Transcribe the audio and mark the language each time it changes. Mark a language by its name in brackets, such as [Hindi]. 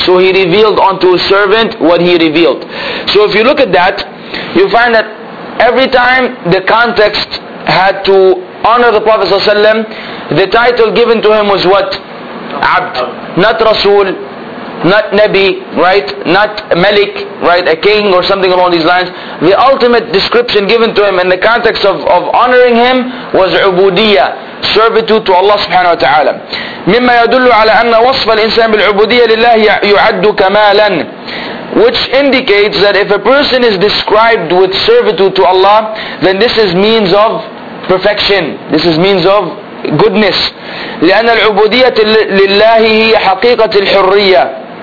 [English] So he revealed unto his servant what he revealed. So if you look at that, you find that every time the context had to honor the Prophet ﷺ, the title given to him was what? Abd. Not Rasul, not Nabi, right? Not Malik, right? A king or something along these lines. The ultimate description given to him in the context of honoring him was Ubudiyya, servitude to Allah subhanahu wa ta'ala. [Arabic] مما يدل على أن وصف الإنسان بالعبودية لله يعد كمالا. [English] Which indicates that if a person is described with servitude to Allah, then this is means of perfection. This is means of goodness. [Arabic] لأن العبودية لله هي حقيقة الحرية.